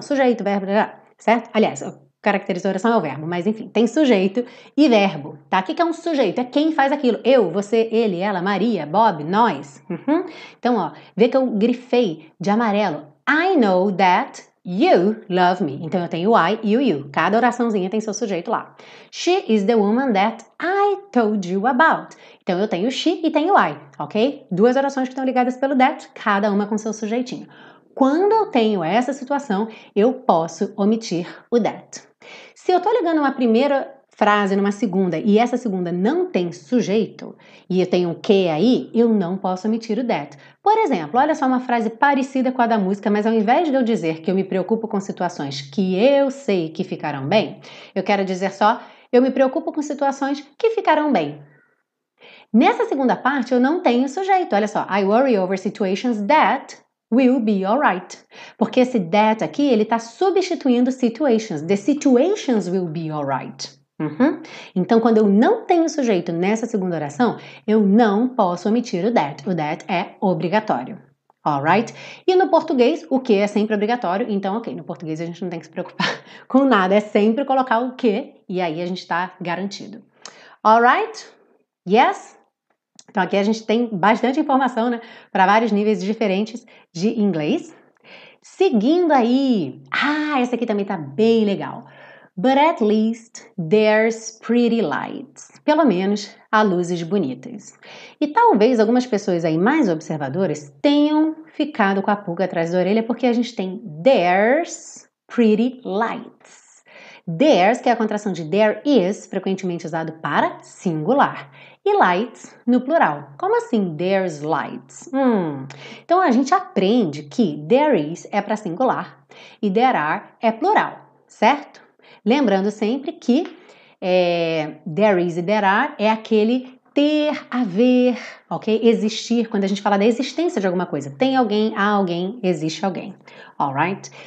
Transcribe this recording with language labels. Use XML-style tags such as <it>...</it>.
<pt>Sujeito, verbo, blá, blá, certo? Aliás, o que caracteriza a oração é o verbo, mas enfim, tem sujeito e verbo, tá? O que é um sujeito? É quem faz aquilo. Eu, você, ele, ela, Maria, Bob, nós. Uhum. Então, ó, vê que eu grifei de amarelo.</pt> <en>I know that you love me.</en> <pt>Então, eu tenho o I e o you. Cada oraçãozinha tem seu sujeito lá.</pt> <en>She is the woman that I told you about.</en> <pt>Então, eu tenho she e tenho I, ok? Duas orações que estão ligadas pelo that, cada uma com seu sujeitinho. Quando eu tenho essa situação, eu posso omitir o that. Se eu estou ligando uma primeira frase numa segunda e essa segunda não tem sujeito e eu tenho um que aí, eu não posso omitir o that. Por exemplo, olha só uma frase parecida com a da música, mas ao invés de eu dizer que eu me preocupo com situações que eu sei que ficarão bem, eu quero dizer só, eu me preocupo com situações que ficarão bem. Nessa segunda parte, eu não tenho sujeito. Olha só,</pt> <en>I worry over situations that will be alright.</en> <pt>Porque esse that aqui, ele está substituindo situations.</pt> <en>The situations will be alright. Uhum.</en> <pt>Então, quando eu não tenho sujeito nessa segunda oração, eu não posso omitir o that. O that é obrigatório. Alright? E no português, o que é sempre obrigatório. Então, ok, no português a gente não tem que se preocupar com nada. É sempre colocar o que e aí a gente está garantido. Alright? Yes? Então, aqui a gente tem bastante informação, né, para vários níveis diferentes de inglês. Seguindo aí, essa aqui também tá bem legal.</pt> <en>But at least there's pretty lights.</en> <pt>Pelo menos há luzes bonitas. E talvez algumas pessoas aí mais observadoras tenham ficado com a pulga atrás da orelha porque a gente tem</pt> <en>there's pretty lights.</en> <pt>There's, que é a contração de there is, frequentemente usado para singular. E lights, no plural. Como assim there's lights? Então a gente aprende que there is é para singular e there are é plural, certo? Lembrando sempre que there is e there are é aquele ter, haver, ok? Existir, quando a gente fala da existência de alguma coisa. Tem alguém, há alguém, existe alguém, alright?</pt>